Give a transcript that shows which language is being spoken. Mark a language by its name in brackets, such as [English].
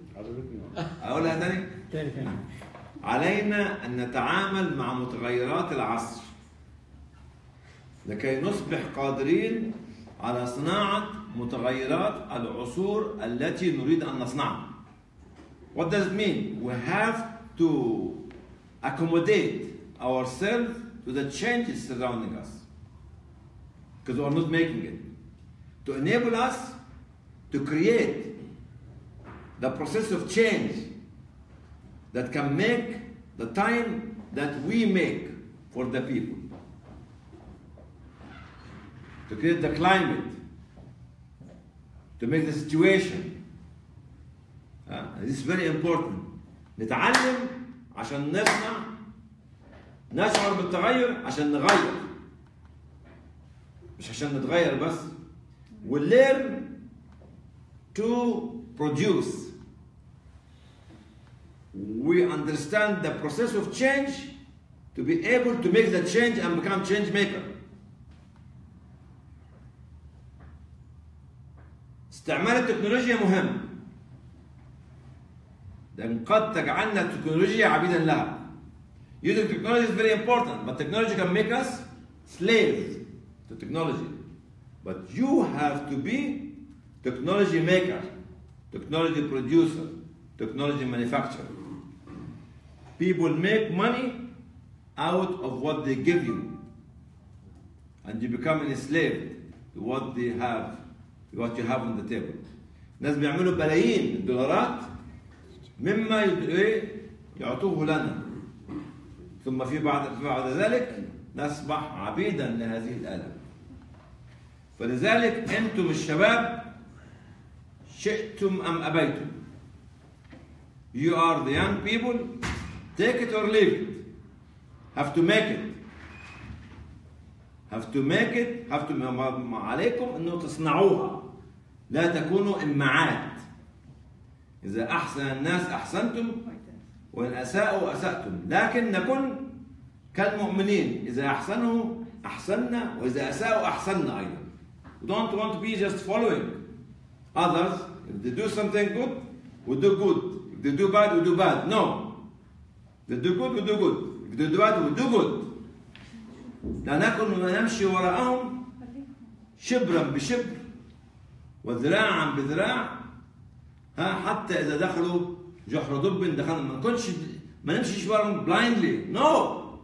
[Arabic] عجبتني. أقولها تاني؟ تاني. علينا أن نتعامل مع متغيرات العصر لكي نصبح قادرين على صناعة متغيرات العصور التي نريد أن نصنعها. [English] What does it mean? We have to accommodate ourselves to the changes surrounding us because we are not making it. To enable us to create the process of change that can make the time that we make for the people. To create the climate, to make the situation. This is very important. [Arabic] نتعلم عشان نصنع نشعر بالتغير عشان نغير. مش عشان نتغير بس. [English] We learn to produce. We understand the process of change to be able to make the change and become change maker. [Arabic] استعمال التكنولوجيا مهم. لأن قد تجعلنا التكنولوجيا عبيدا لها. [English] Using technology is very important, but technology can make us slaves to technology. But you have to be technology maker, technology producer, technology manufacturer. People make money out of what they give you. And you become enslaved to what they have, to what you have on the table. [Arabic] الناس بيعملوا بلايين دولارات مما يعطوه لنا. ثم في بعد ذلك نصبح عبيدا لهذه الآلام. فلذلك انتم الشباب شئتم ام ابيتم. [English] You are the young people, take it or leave it. Have to make it. Have to make it, have to make [Arabic] عليكم انه تصنعوها. لا تكونوا امعات. اذا احسن الناس احسنتم وان اساءوا اساتم. لكن نكون كالمؤمنين اذا احسنوا احسننا واذا اساءوا احسننا ايضا. [English] We don't want to be just following others. If they do something good, we do good. If they do bad, we do bad. No. If they do good, we do good. If they do bad, we do good. [Arabic] لا نكن ونمشي وراءهم شبرا بشبر وذراعا بذراع ها حتى اذا دخلوا جحر دب دخلنا ما نكونش ما نمشيش وراهم [English] blindly. No.